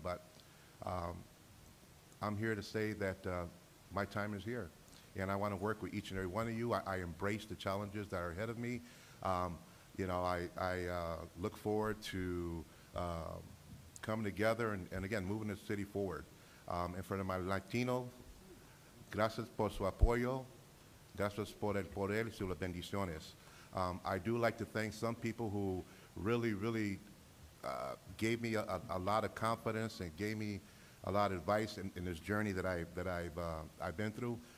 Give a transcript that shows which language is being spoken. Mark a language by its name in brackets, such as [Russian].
[English] But I'm here to say that my time is here. And I want to work with each and every one of you. I embrace the challenges that are ahead of me. I look forward to coming together and again, moving the city forward. In front of my Latino, [Spanish] gracias por su apoyo, gracias por el poder y sus bendiciones. [English] I do like to thank some people who really, really gave me a lot of confidence and gave me a lot of advice in this journey that I've been through.